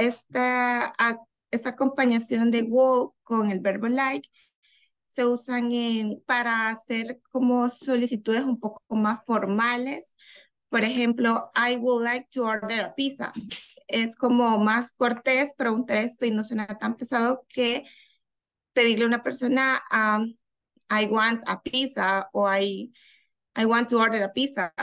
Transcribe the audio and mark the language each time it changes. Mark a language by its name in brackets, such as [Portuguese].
[Spanish] Esta acompañación de will con el verbo like se usan para hacer como solicitudes un poco más formales. Por ejemplo, [English] I would like to order a pizza. [Spanish] Es como más cortés preguntar esto y no suena tan pesado que pedirle a una persona, [English] I want a pizza [Spanish] o [English] I want to order a pizza.